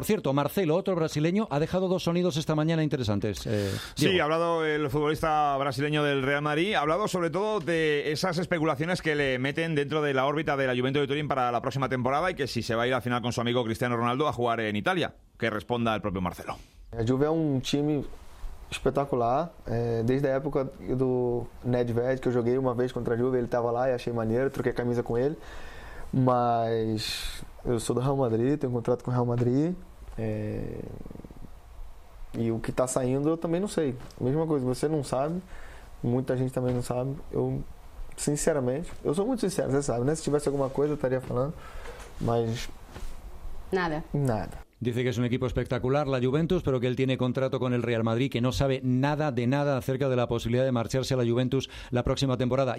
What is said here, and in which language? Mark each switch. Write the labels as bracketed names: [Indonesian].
[Spanish] Por cierto, Marcelo, otro brasileño, ha dejado dos sonidos esta mañana interesantes. Sí, ha hablado el futbolista brasileño del Real Madrid, ha hablado sobre todo de esas especulaciones que le meten dentro de la órbita de la Juventus de Turín para la próxima temporada, y que si se va a ir al final con su amigo Cristiano Ronaldo a jugar en Italia. Que responda el propio Marcelo. [Portuguese] La Juve es un time espetacular, desde a época do Nedved, que eu joguei uma vez contra a Juve, ele estava lá e achei maneiro, troquei a camisa com ele, mas eu sou do Real Madrid, tenho um contrato com o Real Madrid, e o que está saindo eu também não sei, mesma coisa, você não sabe, muita gente também não sabe, eu sinceramente, eu sou muito sincero, você sabe, né? Se tivesse alguma coisa eu estaria falando, mas nada. Nada. [Spanish] Dice que es un equipo espectacular, la Juventus, pero que él tiene contrato con el Real Madrid, que no sabe nada de nada acerca de la posibilidad de marcharse a la Juventus la próxima temporada.